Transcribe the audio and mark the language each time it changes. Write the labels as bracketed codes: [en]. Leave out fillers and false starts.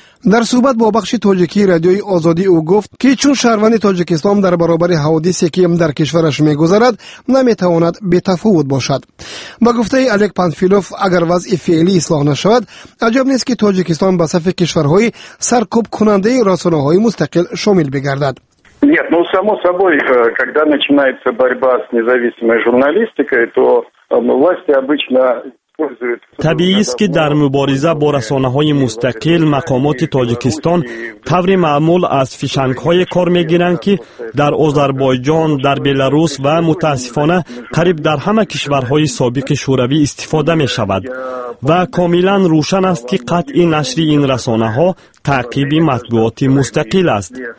[fa] در صحبت با بخش تاجیکی رادیوی آزادی او گفت که چون شهروند تاجیکستان در برابر حوادثی که در کشورش میگذرد نمیتواند بی‌تفاوت باشد. با گفته الک پنفیلوف، اگر وضع فعلی اصلاح نشود، عجب نیست که تاجیکستان به صف کشورهای سرکوب کننده رسانه‌های مستقل شامل بگردد. [ru] نه، ну само собой, когда начинается борьба с независимой журналистикой, то власти обычно [fa] طبیعی است که در مبارزه با رسانه‌های مستقل مقامات تاجیکستان طور معمول از فشنگ‌های کار می‌گیرند که در آذربایجان، در بلاروس و متأسفانه قریب در همه کشورهای سابق شوروی استفاده می‌شود و کاملاً روشن است که قطع نشر این رسانه‌ها تعقیب مطبوعاتی مستقل است.